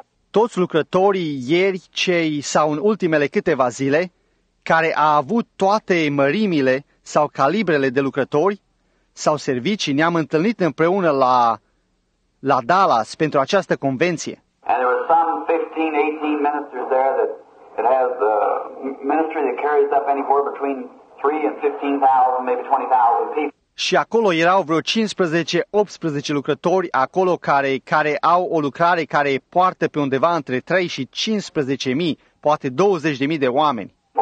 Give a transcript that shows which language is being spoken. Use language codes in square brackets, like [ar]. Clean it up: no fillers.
[ro] Toți lucrătorii ieri, cei sau în ultimele câteva zile, care a avut toate mărimile sau calibrele de lucrători sau servicii, ne-am întâlnit împreună la Dallas pentru această convenție. [en] And there were some 15-18 ministers there that has a ministry that carries up anywhere between 3 and 15,000, maybe 20,000 people. [ro] Și acolo erau vreo 15-18 lucrători acolo care au o lucrare care poartă pe undeva între 3 și 15.000, poate 20.000 de oameni.